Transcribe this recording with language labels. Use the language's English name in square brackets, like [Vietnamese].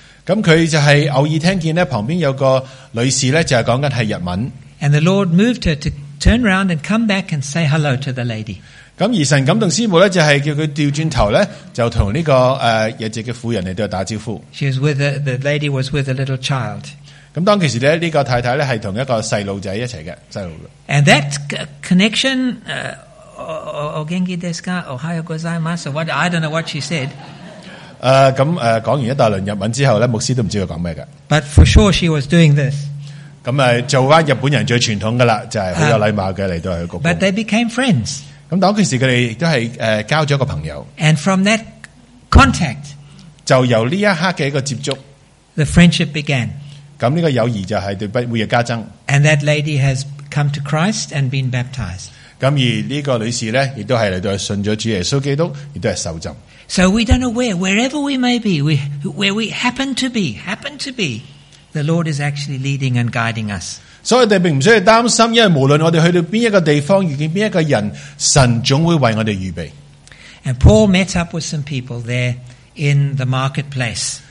[Cantonese] 咁佢就系偶尔听见咧，旁边有个女士咧，就系讲紧系日文。 [English] And the Lord moved her to turn around and come back and say hello to the lady. [Cantonese] 咁而神感动师母咧，就系叫佢调转头咧，就同呢个日籍嘅妇人嚟到打招呼。 [English] She was with the lady was with a little child. [Cantonese] 咁当其时咧，呢个太太咧系同一个细路仔一齐嘅细路。 [English] And that connection, [Japanese] o genki desu ka, ohayo gozaimasu. [English] What I don't know what she said. [Cantonese] 咁讲完一大轮日文之后咧，牧师都唔知佢讲咩嘅。 [English] But for sure she was doing this. [Cantonese] 咁做翻日本人最传统噶啦，就系、是、好有礼貌嘅嚟到去鞠躬。 [English] But they became friends. [Cantonese] 咁当其时佢哋都系交咗个朋友。 [English] And from that contact, [Cantonese] 就由呢一刻嘅一个接触 [English] ，the friendship began. [Cantonese] 咁呢个友谊就系对不会嘅加增。 [English] And that lady has come to Christ and been baptized. [Cantonese] 咁而呢个女士咧，亦都系嚟到信咗主耶稣基督，亦都系受浸。 [English] So we don't know wherever we may be, where we happen to be, the Lord is actually leading and guiding us. [Cantonese] 所以我哋并唔需要担心，因为无论我哋去到边一个地方，遇见边一个人，神总会为我哋预备。 [English] And Paul met up with some people there in the marketplace.